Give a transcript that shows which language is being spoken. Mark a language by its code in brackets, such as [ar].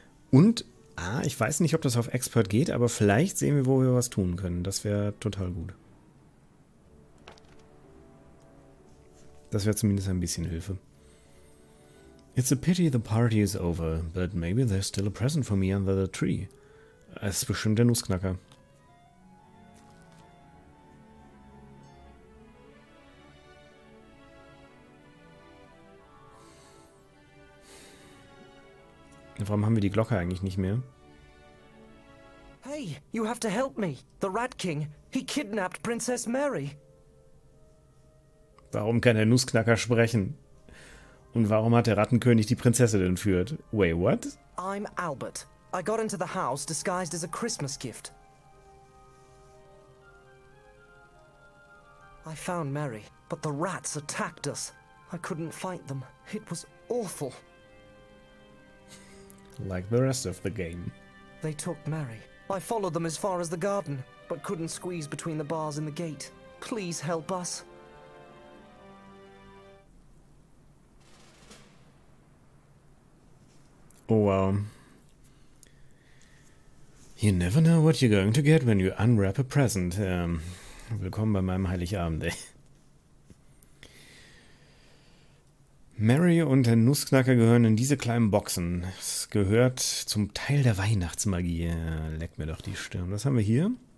[de] Und, ich weiß nicht, ob das auf Expert geht, aber vielleicht sehen wir, wo wir was tun können. Das wäre total gut. Das wäre zumindest ein bisschen Hilfe. [en] It's a pity the party is over, but maybe there's still a present for me under the tree. [de] Es ist bestimmt der Nussknacker. Warum haben wir die Glocke eigentlich nicht mehr? [en] Hey, you have to help me. The Rat King, he kidnapped Princess Mary. [de] Warum kann der Nussknacker sprechen? Und warum hat der Rattenkönig die Prinzessin entführt? [en] Wait, what? I'm Albert. I got into the house disguised as a Christmas gift. I found Mary, but the rats attacked us. I couldn't fight them. It was awful. Like the rest of the game. They took Mary. I followed them as far as the garden, but couldn't squeeze between the bars and the gate. Please help us. Oh wow. You never know what you're going to get when you unwrap a present. [de] Willkommen bei meinem Heiligabend, ey. Mary und der Nussknacker gehören in diese kleinen Boxen. Es gehört zum Teil der Weihnachtsmagie. Leck mir doch die Stirn. Was haben wir hier?